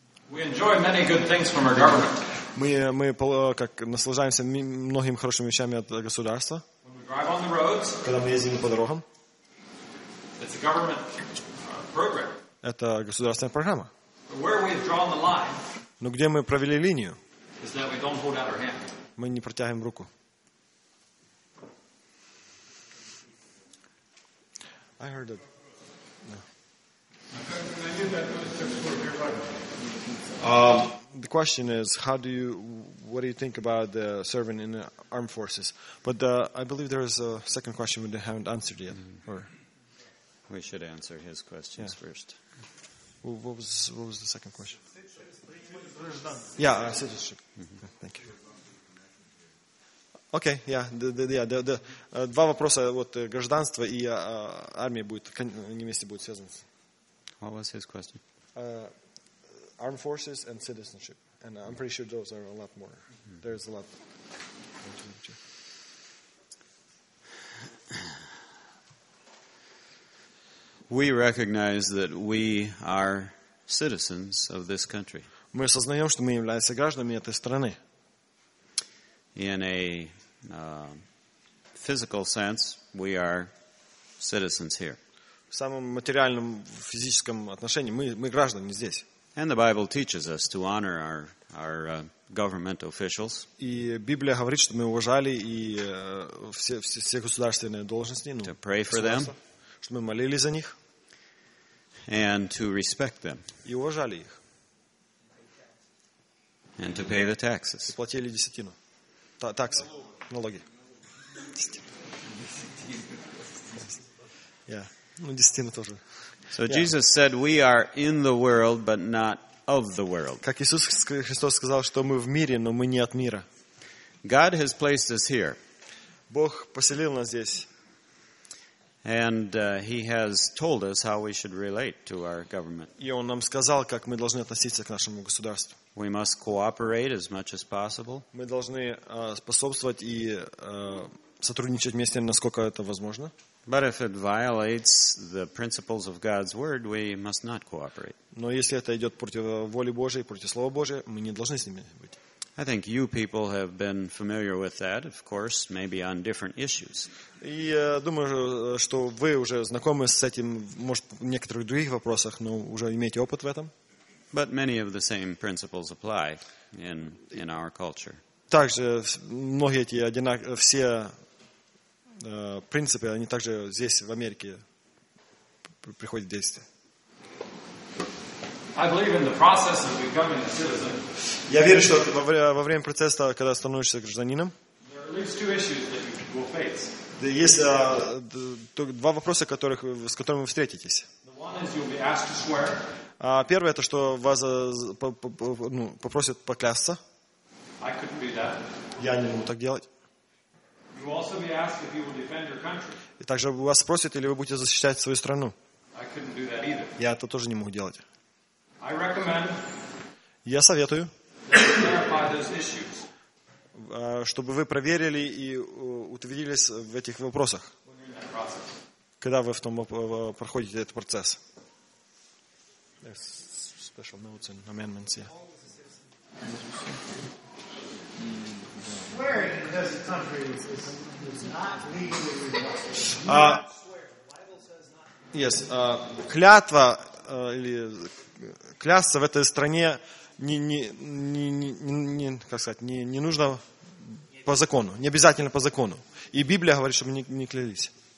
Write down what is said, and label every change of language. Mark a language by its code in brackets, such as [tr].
[en] we enjoy many good things from our government [ru] мы как наслаждаемся многими хорошими вещами от государства [en] when we drive on the roads [ru] когда мы ездим по дорогам [en] it's a government program [ru] это государственная программа [en] where we've drawn the line [ru] но где мы провели линию [en] is that we don't hold out our hand [ru] мы не протягиваем руку [en] I heard it. The question is, what do you think about serving in the armed forces? But I believe there is a second question we haven't answered yet. Mm-hmm. Or we should answer his questions yeah. first. Well, what was the second question? Yeah, citizenship. Mm-hmm. Yeah, thank you. [ru] Окей, я два вопроса вот гражданство и армия будет не вместе будет связано. [en] What was his question? Armed forces and citizenship. And I'm pretty sure those are a lot more. Mm-hmm. There's a lot. We recognize that we are citizens of this country. [ru] Мы осознаем, что мы являемся гражданами этой страны. [en] In a physical sense, we are citizens here. [ru] В самом материальном, физическом отношении мы граждане здесь. [en] And the Bible teaches us to honor our government officials. [ru] И Библия говорит, что мы уважали и все государственные должности. [en] To pray for them. [ru] Что мы молились за них. [en] And to respect them. [ru] И уважали их. [en] And to pay the taxes. [ru] И платили десятину. Таксы. Налоги. Yeah. Ну, десятина тоже. [en] So Jesus said we are in the world but not of the world. [ru] Как Иисус Христос сказал, что мы в мире, но мы не от мира. [en] God has placed us here. [ru] Бог поселил нас здесь. [en] And he has told us how we should relate to our government. [ru] И он нам сказал, как мы должны относиться к нашему государству. [en] We must cooperate as much as possible. [ru] Мы должны способствовать и сотрудничать вместе, насколько это возможно. [en] But if it violates the principles of God's word, we must not cooperate. [ru] Но если это идёт против воли Божьей, против слова Божьего, мы не должны с ними быть. [en] I think you people have been familiar with that, of course, maybe on different issues. [ru] Я думаю, что вы уже знакомы с этим, может, в некоторых других вопросах, но уже имеете опыт в этом. [en] But many of the same principles apply in our culture. [ru] Также многие эти все принципы они также здесь в Америке приходят в действие. [en] I believe in the process of becoming a citizen. [ru] Я верю, что во время процесса, когда становишься гражданином, [en] there are at least two issues that you will face. [ru] Есть два вопроса, с которыми вы встретитесь. [en] The one is you'll be asked to swear. [ru] А первое это что вас попросят поклясться. [en] I couldn't do that. [ru] Я не могу так делать. [en] You'll also be asked if you will defend your country. [ru] И также вас спросят или вы будете защищать свою страну. [en] I couldn't do that either. [ru] Я это тоже не могу делать. [en] I recommend. [ru] Я советую. [en] Verify those issues. [ru] Чтобы вы проверили и утвердились в этих вопросах. Когда вы в том проходите этот процесс. [en] There's special notes and amendments, yeah. Swearing in this country is not legally required. Yes. [ru] Клятва или клясться в этой стране не нужно по закону, не обязательно по закону. И Библия говорит, чтобы не клялись.